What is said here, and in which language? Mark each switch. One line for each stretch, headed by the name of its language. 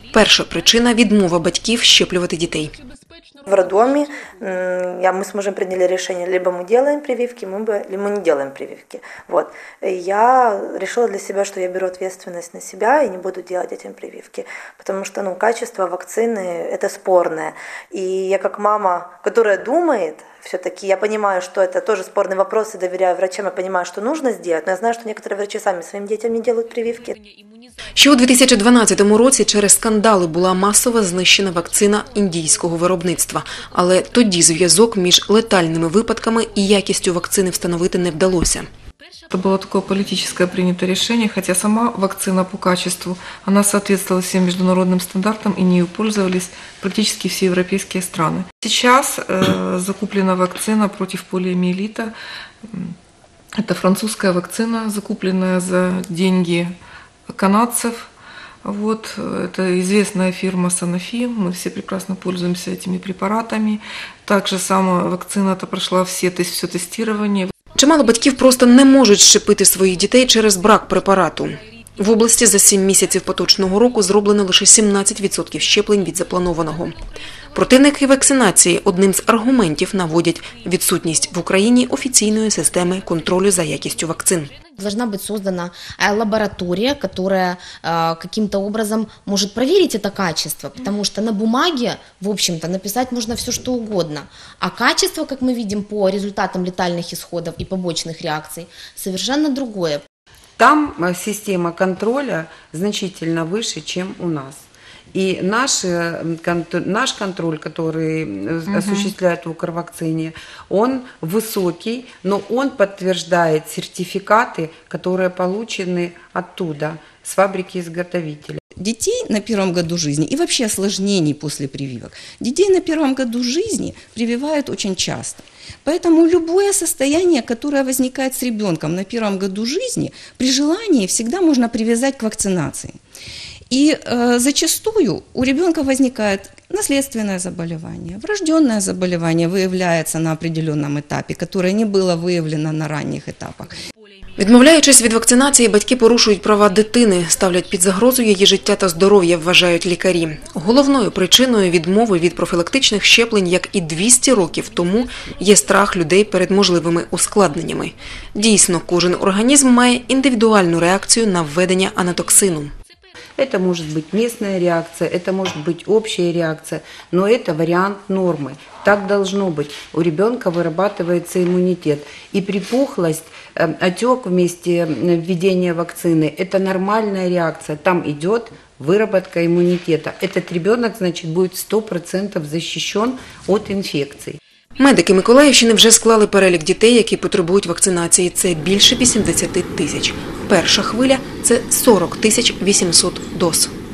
Ukrainian: Перша причина – відмова батьків щеплювати дітей. В роддомі ми зможемо прийняти рішення, або ми робимо прививки, або ми не робимо прививки. Вот. Я вирішила для себе, що я беру відповідальність на себе і не буду робити дітям прививки. Тому що качество вакцини – це спорне. І я як мама, яка думає,
Russian: все-таки я понимаю, что это тоже спорный вопрос, и доверяю врачам, я понимаю, что нужно сделать, но я знаю, что некоторые врачи сами своим детям не делают прививки.
Ukrainian: Ще у 2012 році через скандали була масово знищена вакцина індійського виробництва. Але тоді зв'язок між летальними випадками і якістю вакцини встановити не вдалося.
Russian: Это было такое политическое принято решение, хотя сама вакцина по качеству, она соответствовала всем международным стандартам и нею пользовались практически все европейские страны. Сейчас закуплена вакцина против полиомиелита, это французская вакцина, закупленная за деньги канадцев. Вот, это известная фирма Sanofi, мы все прекрасно пользуемся этими препаратами. Также сама вакцина прошла все тестирование.
Ukrainian: Чимало батьків просто не можуть щепити своїх дітей через брак препарату. В області за 7 місяців поточного року зроблено лише 17% щеплень від запланованого. Противники вакцинації одним з аргументів наводять відсутність в Україні офіційної системи контролю за якістю вакцин.
Russian: Должна быть создана лаборатория, которая каким-то образом может проверить это качество, потому что на бумаге, в общем-то, написать можно все, что угодно. А качество, как мы видим, по результатам летальных исходов и побочных реакций, совершенно другое. Там система контроля значительно выше, чем у нас. И наш контроль, который осуществляет УКРВакцине, он высокий, но он подтверждает сертификаты, которые получены оттуда, с фабрики-изготовителя. Детей на первом году жизни и вообще осложнений после прививок. Детей на первом году жизни прививают очень часто. Поэтому любое состояние, которое возникает с ребенком на первом году жизни, при желании всегда можно привязать к вакцинации. И зачастую у ребенка возникает наследственное заболевание, врожденное заболевание выявляется на определенном этапе, которое не было выявлено на ранних этапах.
Ukrainian: Відмовляючись від вакцинації, батьки порушують права дитини, ставлять під загрозу її життя та здоров'я, вважають лікарі. Головною причиною відмови від профілактичних щеплень, як і 200 років тому, є страх людей перед можливими ускладненнями. Дійсно, кожен організм має індивідуальну реакцію на введення анатоксину.
Russian: Это может быть местная реакция, это может быть общая реакция, но это вариант нормы. Так должно быть. У ребенка вырабатывается иммунитет. И припухлость, отек вместе введения вакцины – это нормальная реакция. Там идет выработка иммунитета. Этот ребенок, значит, будет 100% защищен от инфекций.
Ukrainian: Медики Миколаївщини вже склали перелік дітей, які потребують вакцинації. Це більше 80 тисяч. Перша хвиля – це 40 тисяч 800 доз.